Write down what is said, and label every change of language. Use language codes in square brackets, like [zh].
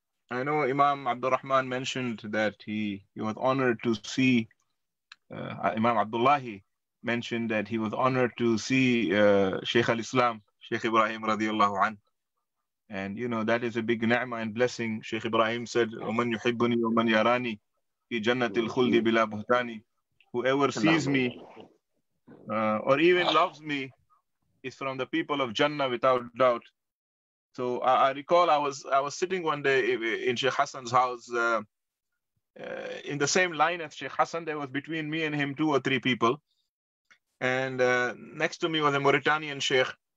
[en] I know Imam Abdurrahman mentioned that he was honored to see, Imam Abdoulaye mentioned that he was honored to see Shaykh al-Islam, Shaykh Ibrahim radiallahu an. And you know, that is a big ni'mah and blessing. Shaykh Ibrahim said, [ar] وَمَنْ يُحِبُّنِي وَمَنْ يَرَانِي فِي جَنَّةِ الْخُلْدِ بِلَا بُهْتَانِي. [en] Whoever sees me or even loves me is from the people of Jannah without doubt. So I recall I was sitting one day in Sheikh Hassan's house in the same line as Sheikh Hassan. There was between me and him two or three people. And next to me was a Mauritanian Sheikh.